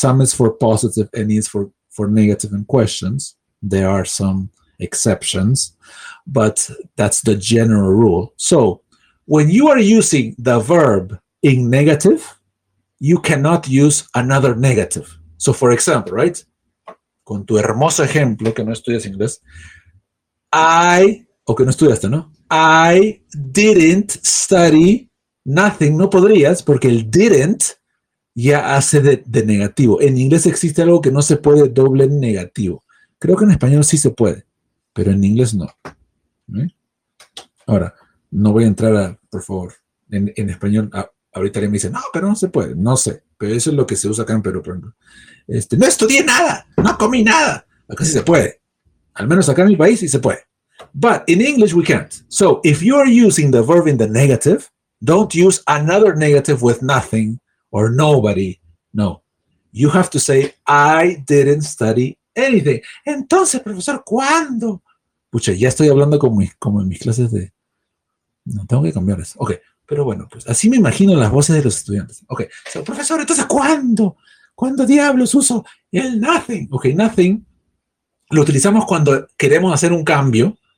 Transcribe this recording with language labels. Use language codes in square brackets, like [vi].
[en] Some is for positive, any is for negative and questions. There are some exceptions, but that's the general rule. So when you are using the verb in negative, you cannot use another negative. So for example, right? [es] Con tu hermoso ejemplo, que no estudias inglés, [en] I didn't study nothing. [es] No podrías, porque el didn't ya hace de negativo. En inglés existe algo que no se puede doble negativo. Creo que en español sí se puede, pero en inglés no. ¿Sí? Ahora, no voy a entrar, por favor, en español. Ahorita alguien me dice, no, pero no se puede. No sé, pero eso es lo que se usa acá en Perú. No estudié nada, no comí nada. Acá sí se puede. Al menos acá en mi país sí se puede. [en] But in English we can't. So if you are using the verb in the negative, don't use another negative with nothing or nobody. No. You have to say, I didn't study anything. [es] Entonces, profesor, ¿cuándo? Pucha, ya estoy hablando como en mis clases de... No, tengo que cambiar eso. Ok, pero bueno, pues así me imagino las voces de los estudiantes. Ok, so, profesor, entonces, ¿cuándo? ¿Cuándo diablos uso el nothing? Ok, nothing lo utilizamos cuando queremos hacer un cambio.